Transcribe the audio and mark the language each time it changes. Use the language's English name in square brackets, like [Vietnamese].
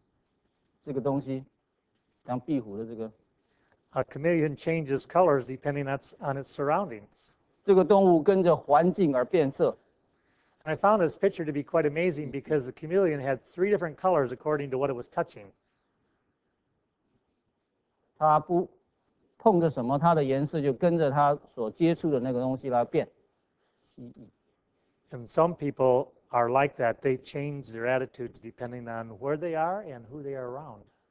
[Chinese] 蜥蜴这个东西，像壁虎的这个。 [English] A chameleon changes colors depending on its surroundings. And I found this picture to be quite amazing because the chameleon had three different colors according to what it was touching. [Chinese] 它不碰着什么，它的颜色就跟着它所接触的那个东西来变。蜥蜴。 [English] And some people are like that. They change their attitudes depending on where they are and who they are around.